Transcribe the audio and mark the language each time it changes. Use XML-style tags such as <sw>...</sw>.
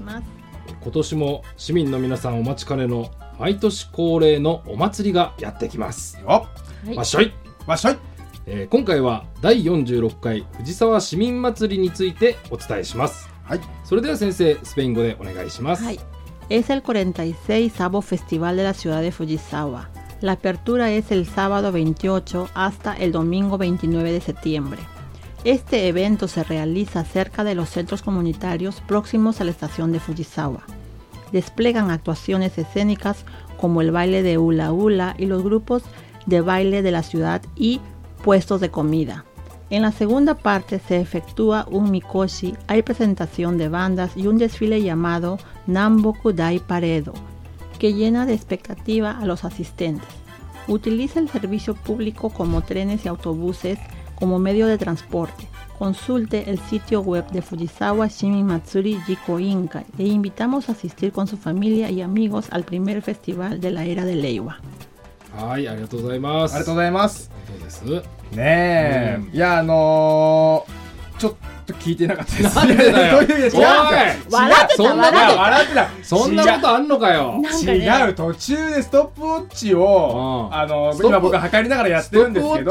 <ja>今年も市民の皆さんお待ちかねの毎年恒例のお祭りがやってきますよ、はい、わっしょいわっしょい。今回は第46回藤沢市民祭りについてお伝えします。はい、それでは先生スペイン語でお願いします。はい、</ja> <es>es el 46 avo festival de la ciudad de Fujisawa. La apertura es el sábado 28 hasta el domingo 29 de septiembre. Este evento se realiza cerca de los centros comunitarios próximos a la estación de Fujisawa. Desplegan actuaciones escénicas como el baile de Hula Hula y los grupos de baile de la ciudad y puestos de comida. En la segunda parte se efectúa un mikoshi, hay presentación de bandas y un desfile llamado Namboku Dai Paredo, que llena de expectativa a los asistentes. Utiliza el servicio público como trenes y autobuses como medio de transporte. Consulte el sitio web de Fujisawa Shimin Matsuri Jiko Inkai. Le invitamos a asistir con su familia y amigos al primer festival de la era de Leiwa.</es> <ja>はい、ありがとうございます。ありがとうございます。どうです？ねえ、うん、いやちょっと聞いてなかったです。なんでだよ。どういう意味で？違う、笑ってた、笑ってた、笑ってた。そんなことあんのかよ。違う、途中でストップウォッチを、うん、今僕は測りながらやってるんですけど、</ja>